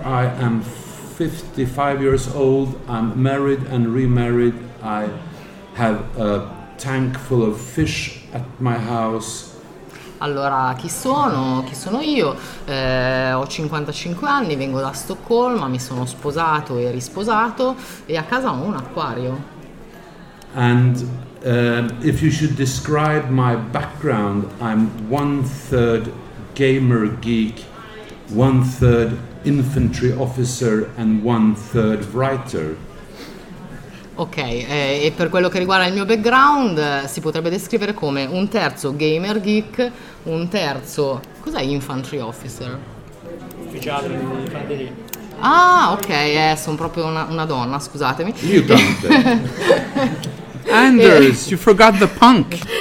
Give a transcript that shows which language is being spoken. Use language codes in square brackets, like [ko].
[en] I am 55 years old, I'm married and remarried, I have a tank full of fish at my house. [it] Allora, chi sono? Chi sono io? Ho 55 anni, vengo da Stoccolma, mi sono sposato e risposato e a casa ho un acquario. [en] And if you should describe my background, I'm one third gamer geek, one third infantry officer and one third writer. [it] Ok, e per quello che riguarda il mio background si potrebbe descrivere come un terzo gamer geek, un terzo... cos'è [en] infantry officer? [it] Ufficiale di fanteria. Ah, ok, sono proprio una donna, scusatemi. [en] You don't. Anders, you forgot the punk.